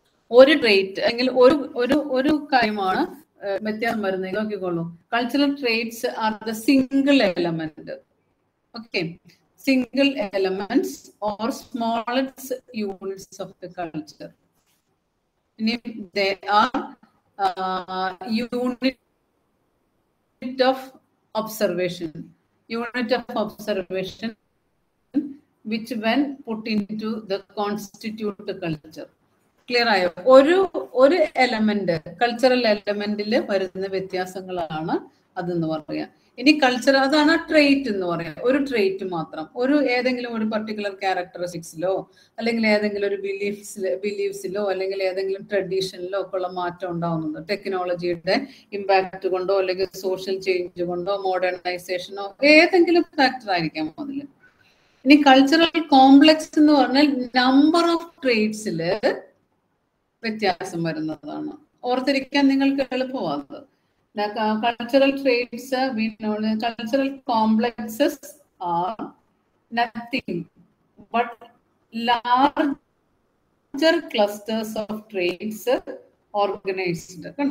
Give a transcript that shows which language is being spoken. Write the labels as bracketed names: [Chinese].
[Malayalam] ഒരു ട്രെയ്റ്റ് അല്ലെങ്കിൽ ഒരു ഒരു ഒരു കാര്യമാണ് വ്യത്യാസം വരുന്നെങ്കിൽ നോക്കിക്കോളൂ. [English] Cultural traits are the single element. Okay, single elements or smallest units of the culture. they are unit of observation. Unit of observation which when put into the constitute culture. [Malayalam] Clear ayo. Oru element, cultural element ile varunna vyathyasangalana adennu parayam. ഇനി culture അതാണ് ആ trait എന്ന് പറയാം. ഒരു trait മാത്രം, ഒരു ഏതെങ്കിലും ഒരു പർട്ടിക്കുലർ ക്യാരക്ടറിസ്റ്റിക്സിലോ അല്ലെങ്കിൽ ഏതെങ്കിലും ഒരു ബിലീഫ്സിലോ അല്ലെങ്കിൽ ഏതെങ്കിലും ട്രഡീഷനിലോ ഒക്കെ ഉള്ള മാറ്റം ഉണ്ടാവുന്നുണ്ട്. ടെക്നോളജിയുടെ ഇമ്പാക്ട് കൊണ്ടോ അല്ലെങ്കിൽ സോഷ്യൽ ചേഞ്ച് കൊണ്ടോ മോഡേണൈസേഷനോ ഏതെങ്കിലും ഫാക്ടർ ആയിരിക്കാം അതിൽ. ഇനി കൾച്ചറൽ കോംപ്ലക്സ് എന്ന് പറഞ്ഞാൽ നമ്പർ ഓഫ് ട്രെയ്റ്റ്സില് വ്യത്യാസം വരുന്നതാണ്. ഓർത്തിരിക്കാൻ നിങ്ങൾക്ക് എളുപ്പമാണ്. [English] Cultural traits, we know the cultural complexes are nothing but larger clusters of traits organized.